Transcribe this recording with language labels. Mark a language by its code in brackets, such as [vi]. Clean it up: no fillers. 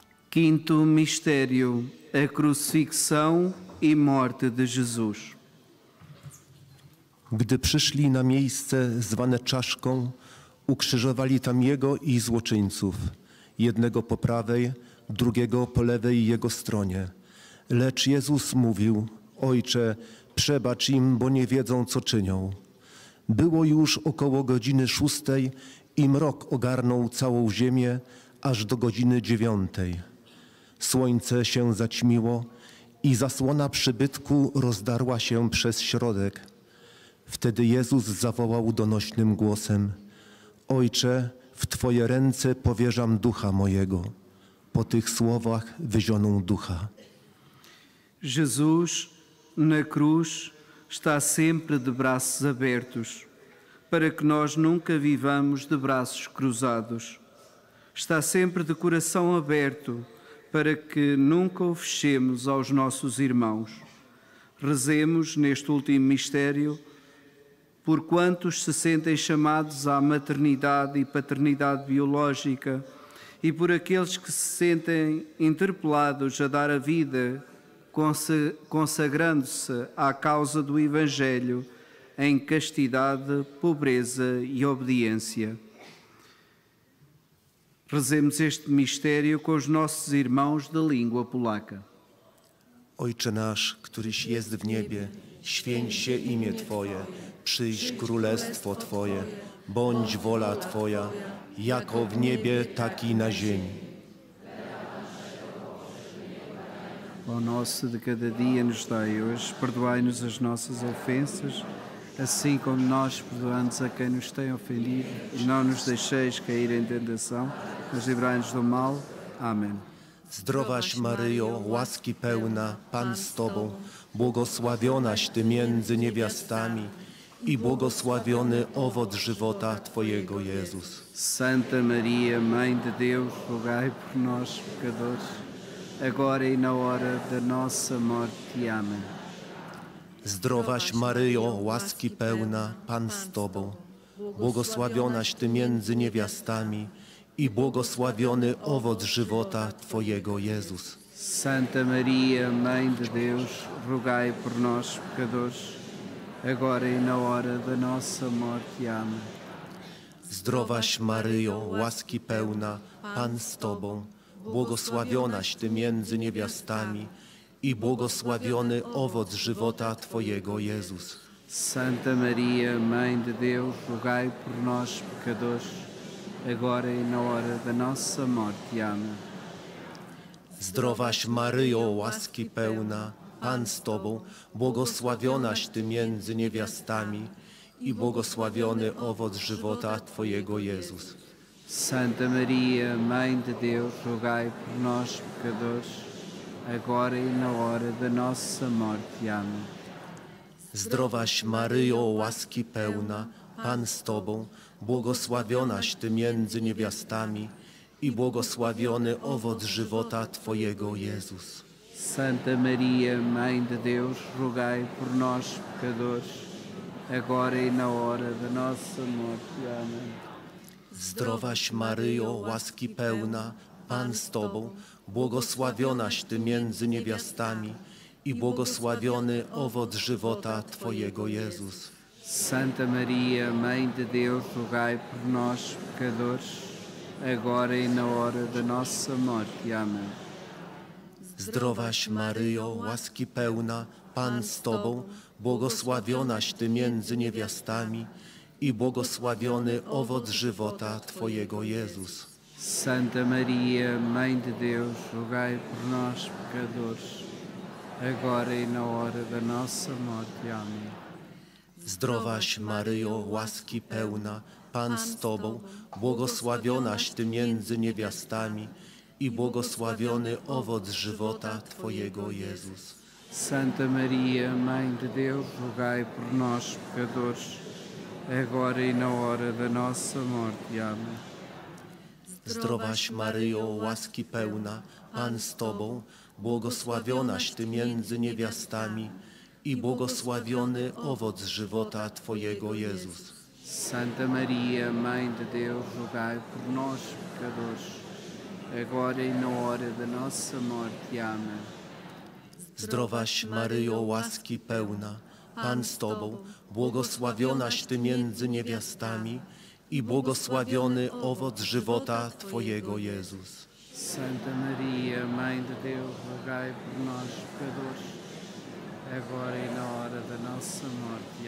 [pt] Quinto mistério, a crucifixão e morte de Jesus. [pl] Gdy przyszli na miejsce zwane czaszką, ukrzyżowali tam Jego i złoczyńców, jednego po prawej, drugiego po lewej Jego stronie. Lecz Jezus mówił: Ojcze, przebacz im, bo nie wiedzą, co czynią. Było już około godziny szóstej i mrok ogarnął całą ziemię aż do godziny dziewiątej. Słońce się zaćmiło i zasłona przybytku rozdarła się przez środek. Wtedy Jezus zawołał donośnym głosem: Ojcze, w Twoje ręce powierzam ducha mojego. Po tych słowach wyzionął ducha. [pt] Jezus na cruz está sempre de braços abertos, para que nós nunca vivamos de braços cruzados. Está sempre de coração aberto, para que nunca o fechemos aos nossos irmãos. Rezemos neste último mistério por quantos se sentem chamados à maternidade e paternidade biológica e por aqueles que se sentem interpelados a dar a vida consagrando-se à causa do Evangelho em castidade, pobreza e obediência. Rezemos este mistério com os nossos irmãos da língua polaca. [pl] Ojcze nasz, któryś jest w niebie, święć się imię Twoje, przyjdź królestwo Twoje, bądź wola Twoja, jako w niebie, tak i na ziemi. [pt] Pão nosso de cada dia nos dai hoje, perdoai-nos as nossas ofensas, assim como nós perdoamos a quem nos tem ofendido, e não nos deixeis cair em tentação, mas livrai-nos do mal. Amém. [pl] Zdrowaś Maryjo, łaski pełna, Pan z Tobą, błogosławionaś Ty między niewiastami i błogosławiony owoc żywota Twojego, Jezus. [pt] Santa Maria, Mãe de Deus, rogai por nós, pecadores, agora e na hora da nossa morte. Amém. [pl] Zdrowaś Maryjo, łaski pełna, Pan z Tobą, błogosławionaś Ty między niewiastami i błogosławiony owoc żywota Twojego, Jezus. [pt] Santa Maria, Mãe de Deus, rogai por nós, pecadores, agora e na hora da nossa morte. Amém. [pl] Zdrowaś Maryjo, łaski pełna, Pan z Tobą, błogosławionaś Ty między niewiastami i błogosławiony owoc żywota Twojego, Jezus. [pt] Santa Maria, Mãe de Deus, rogai por nós, pecadores, agora e na hora da nossa morte. Amém. [pl] Zdrowaś Maryjo, łaski pełna, Pan z Tobą, błogosławionaś Ty między niewiastami i błogosławiony owoc żywota Twojego, Jezus. [pt] Santa Maria, Mãe de Deus, rogai por nós, pecadores, agora e na hora da nossa morte. Amém. [pl] Zdrowaś Maryjo, łaski pełna, Pan z Tobą, błogosławionaś Ty między niewiastami i błogosławiony owoc żywota Twojego, Jezus. [pt] Santa Maria, Mãe de Deus, rogai por nós, pecadores, agora e na hora da nossa morte. Amém. [pl] Zdrowaś Maryjo, łaski pełna, Pan z Tobą, błogosławionaś Ty między niewiastami i błogosławiony owoc żywota Twojego, Jezus. [pt] Santa Maria, Mãe de Deus, rogai por nós, pecadores, agora e na hora da nossa morte. Amém. [pl] Zdrowaś Maryjo, łaski pełna, Pan z Tobą, błogosławionaś Ty między niewiastami i błogosławiony owoc żywota Twojego, Jezus. [pt] Santa Maria, Mãe de Deus, rogai por nós, pecadores, agora e na hora da nossa morte. Amém. [pl] Zdrowaś Maryjo, łaski pełna, Pan z Tobą, błogosławionaś Ty między niewiastami i błogosławiony owoc żywota Twojego, Jezus. [pt] Santa Maria, Mãe de Deus, rogai por nós, pecadores, agora e na hora da nossa morte. Amém. [pl] Zdrowaś Maryjo, łaski pełna, Pan z Tobą, błogosławionaś Ty między niewiastami i błogosławiony owoc żywota Twojego, Jezus. [pt] Santa Maria, Mãe de Deus, rogai por nós, pecadores, agora e na hora da nossa morte. Amém. [pl] Zdrowaś Maryjo, łaski pełna, Pan z Tobą, błogosławionaś Ty między niewiastami i błogosławiony owoc żywota Twojego, Jezus. [pt] Santa Maria, Mãe de Deus, rogai por nós, pecadores, agora e na hora da nossa morte.